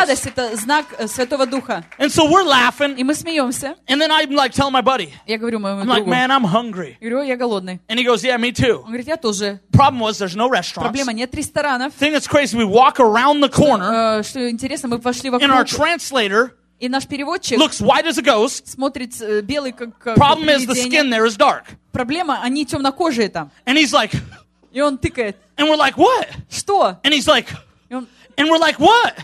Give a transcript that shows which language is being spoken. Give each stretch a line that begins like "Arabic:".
Russian: Радость это знак Святого Духа.
English: And so we're laughing.
Russian: И мы смеемся.
English: And then I'm like telling my buddy.
Russian: Я говорю моему другу.
English: I'm like, man, I'm hungry.
Russian: Говорю, я голодный.
English: And he goes, "Yeah, me too."
Russian: Он говорит, я тоже.
English: Problem was, there's no restaurants.
Russian: Проблема нет ресторанов.
English: Thing that's crazy, we walk around the corner.
Russian: Что интересно, мы вошли вокруг.
English: And our translator.
Russian: И наш переводчик.
English: Looks white as a ghost.
Russian: Смотрит белый как.
English: Problem is the skin there is dark.
Russian: Проблема, они темнокожие там.
English: And he's like.
Russian: И он тыкает.
English: And we're like, what?
Russian: Что?
English: And he's like. And we're like, what?